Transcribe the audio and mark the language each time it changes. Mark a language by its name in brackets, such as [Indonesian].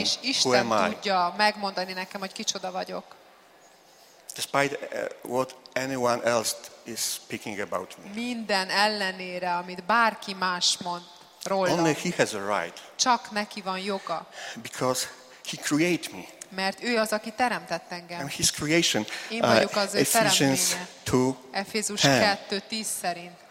[Hungarian] És csak is Isten tudja megmondani nekem, hogy kicsoda vagyok. [English] Despite what anyone else is speaking about me. [Hungarian] Minden ellenére, amit bárki más mond rólam. [English] Only he has a right. [Hungarian] Csak neki van joga. [English] Because he created me. [Hungarian] Mert ő az, aki teremtett engem. [English] I'm his creation. [Hungarian] Én vagyok az ő [English] Ephesians [Hungarian] teremtménye. 2:10 szerint.